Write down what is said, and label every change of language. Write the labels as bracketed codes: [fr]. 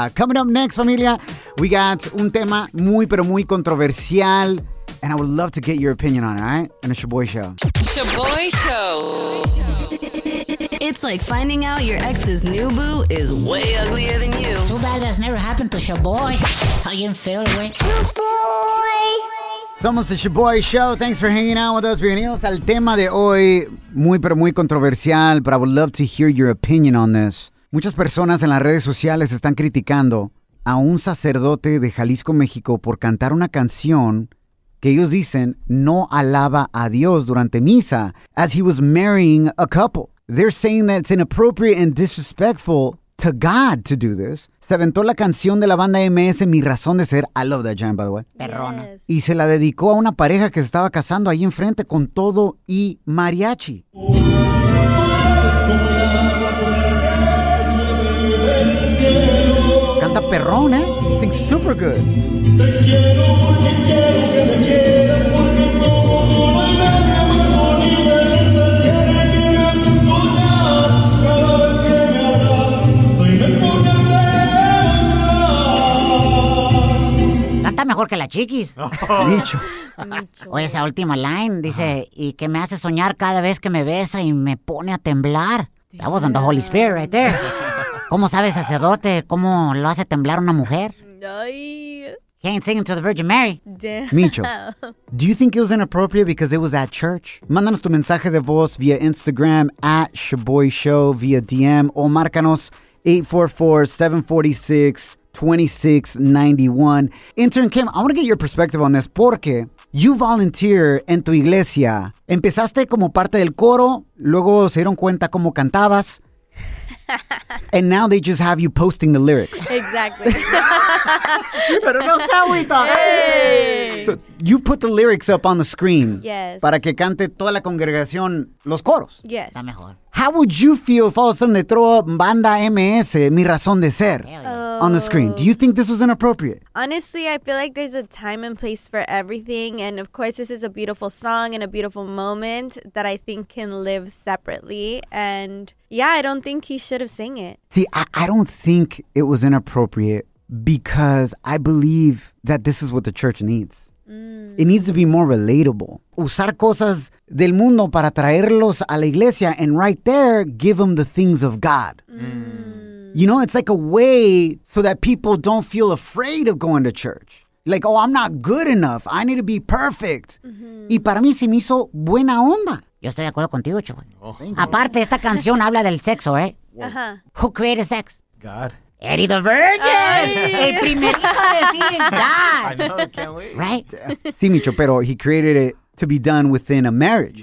[en] Coming up next, [es] familia, [en] we got [es] un tema muy, pero muy controversial. [en] And I would love to get your opinion on it, all right? And it's Shaboy Show. Shaboy Show. It's like finding out your ex's new boo is way uglier than you. Too bad that's never happened to Shaboy. How you feel, boy? Shaboy. It's almost the Shaboy Show. Thanks for hanging out with us. [es] Bienvenidos al tema de hoy. Muy, pero muy controversial. [en] But I would love to hear your opinion on this. [es] Muchas personas en las redes sociales están criticando a un sacerdote de Jalisco, México, por cantar una canción que ellos dicen no alaba a Dios durante misa, [en] as he was marrying a couple. They're saying that it's inappropriate and disrespectful to God to do this. [es] Se aventó la canción de la banda MS, Mi Razón de Ser. [en] I love that jam, by the way. [es] Perrona. [en] Yes. [es] Y se la dedicó a una pareja que se estaba casando ahí enfrente con todo y mariachi. Canta perrón, ¿eh? [en] I think super good. [es] Canta mejor que la Chiquis. Micho. Oye, esa última line dice, y que me hace soñar cada vez que me besa y me pone a temblar. [en] That was on the Holy Spirit right there. [es] ¿Cómo sabe sacerdote cómo lo hace temblar una mujer? Ay. [en] He ain't singing to the Virgin Mary. Damn. Micho, do you think it was inappropriate because it was at church? [es] Mándanos tu mensaje de voz via Instagram at Shaboy Show via DM o márcanos 844-746-2691. [en] Intern Kim, I want to get your perspective on this porque you volunteer [es] en tu iglesia. Empezaste como parte del coro, luego se dieron cuenta cómo cantabas. [en] And now they just have you posting the lyrics. Exactly. [es] Pero no se agüita. [en] So you put the lyrics up on the screen. Yes. [es] Para que cante toda la congregación los coros. [en] Yes. [es] Está mejor. [en] How would you feel if all of a sudden they throw up Banda MS, Mi Razón de Ser, on the screen? Do you think this was inappropriate? Honestly, I feel like there's a time and place for everything. And of course, this is a beautiful song and a beautiful moment that I think can live separately. And yeah, I don't think he should have sang it. See, I don't think it was inappropriate because I believe that this is what the church needs. It needs to be more relatable. [es] Usar cosas del mundo para traerlos a la iglesia [en] and right there, give them the things of God. You know, it's like a way so that people don't feel afraid of going to church. Like, oh, I'm not good enough. I need to be perfect. [es] Y para mí se me hizo buena onda. Yo estoy de acuerdo contigo, chico. Aparte, esta canción habla del sexo, ¿eh? [en] Who created sex? God. [es] Eddie the Virgin! El primerito de God! [en] I know, can't wait. Right? [es] Sí, Micho, pero [en] he created it to be done within a marriage.